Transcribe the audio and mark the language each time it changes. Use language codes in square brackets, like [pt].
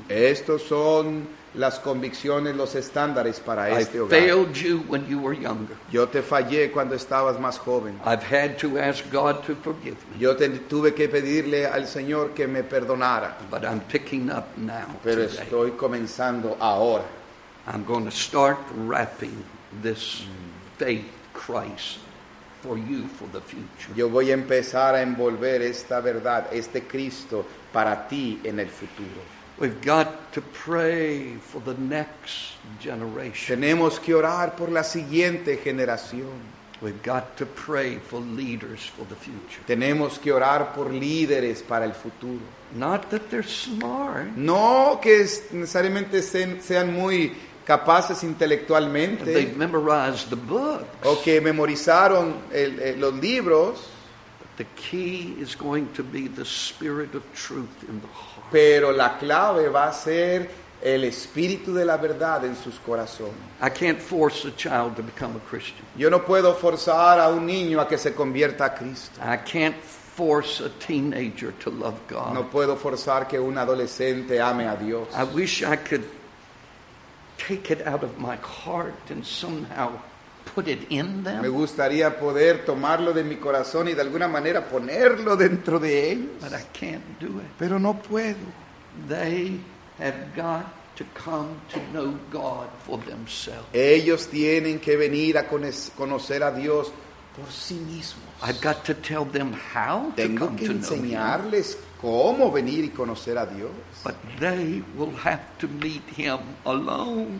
[es] Estos son las convicciones, los estándares para este hogar. [en] I failed you when you were younger. [es] Yo te fallé cuando estabas más joven. [en] I've had to ask God to forgive me. [es] Yo tuve que pedirle al Señor que me perdonara. [en] But I'm picking up now. [es] Pero [en] today, [es] estoy comenzando ahora. [en] I'm going to start wrapping this faith Christ for you for the future. [es] Yo voy a empezar a envolver esta verdad, este Cristo para ti en el futuro. [en] We've got to pray for the next generation. [es] Tenemos que orar por la siguiente generación. [en] We've got to pray for leaders for the future. [es] Tenemos que orar por líderes para el futuro. [en] Not that they're smart. [es] No que necesariamente sean muy capaces intelectualmente. [en] They memorized the books. [es] O que memorizaron los libros. [en] But the key is going to be the spirit of truth in the heart. [es] Pero la clave va a ser el espíritu de la verdad en sus corazones. [en] I can't force a child to become a Christian. [es] Yo no puedo forzar a un niño a que se convierta a Cristo. [en] I can't force a teenager to love God. [es] No puedo forzar que un adolescente ame a Dios. [en] I wish I could take it out of my heart and somehow put it in them. [es] Me gustaría poder tomarlo de mi corazón y de alguna manera ponerlo dentro de ellos. [en] But I can't do it. [es] Pero no puedo. [en] They have got to come to know God for themselves. [es] Ellos tienen que venir a conocer a Dios por sí mismos. [en] I've got to tell them how to come to know Him. [es] Tengo que enseñarles cómo venir y conocer a Dios. [en] But they will have to meet Him alone.